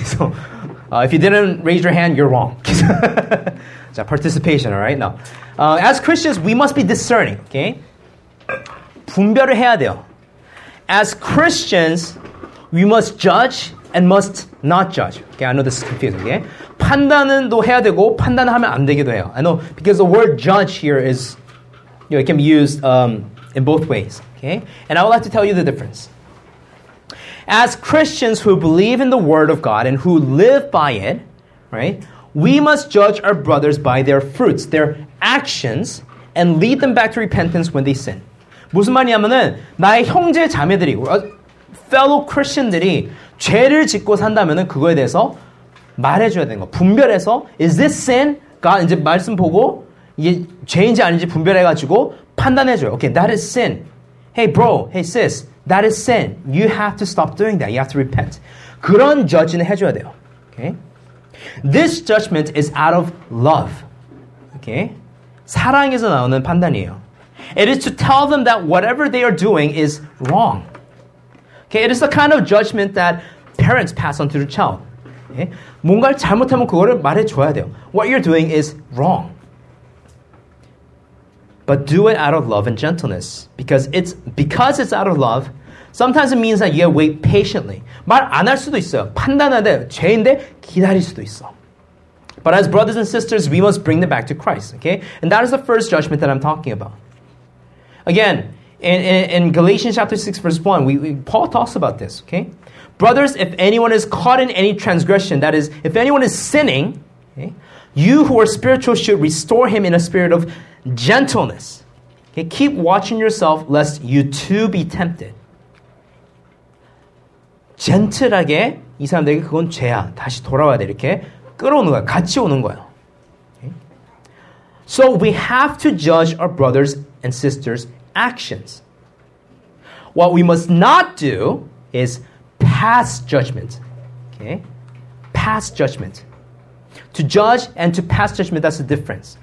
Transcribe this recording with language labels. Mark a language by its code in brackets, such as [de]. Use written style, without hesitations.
[en] So, if you didn't raise your hand, you're wrong. It's a participation, all right? No. As Christians, we must be discerning. Okay. [ko] 분별을 해야 돼요. [en] As Christians, we must judge and must not judge. Okay, I know this is confusing. Okay? [ko] 판단은 또 해야 되고 판단을 하면 안 되기도 해요. [en] I know because the word judge here is, you know, it can be used in both ways. Okay, and I would like to tell you the difference. As Christians who believe in the Word of God and who live by it, right, we must judge our brothers by their fruits, their actions, and lead them back to repentance when they sin. [ko] 무슨 말이냐면은 나의 형제 자매들이 fellow Christian들이 죄를 짓고 산다면은 그거에 대해서 말해줘야 되는 거 분별해서 [en] is this sin? [ko] God 이제 말씀 보고 이게 죄인지 아닌지 분별해가지고 판단해줘요. [en] Okay, that is sin. Hey bro, hey sis, that is sin. You have to stop doing that. You have to repent. [ko] 그런 judge는 해줘야 돼요. [en] Okay, this judgment is out of love. [ko] Okay, 사랑에서 나오는 판단이에요. [en] It is to tell them that whatever they are doing is wrong. Okay, it is the kind of judgment that parents pass on to the child. Okay? [ko] 뭔가를 잘못하면 그거를 말해줘야 돼요. [en] What you're doing is wrong. But do it out of love and gentleness. Because it's out of love, sometimes it means that you have to wait patiently. [ko] 말 안 할 수도 있어요. 판단하되 죄인데 기다릴 수도 있어. [en] But as brothers and sisters, we must bring them back to Christ. Okay, and that is the first judgment that I'm talking about. Again, in Galatians chapter 6, verse 1, Paul talks about this, okay? Brothers, if anyone is caught in any transgression, that is, if anyone is sinning, okay, you who are spiritual should restore him in a spirit of gentleness. Okay? Keep watching yourself, lest you too be tempted. [ko] 젠틀하게 이 사람들에게 그건 죄야. 다시 돌아와야 돼, 이렇게 끌어오는 거야, 같이 오는 거야. [en] So we have to judge our brothers and sisters' actions. What we must not do is pass judgment. Okay? Pass judgment. To judge and to pass judgment, that's the difference.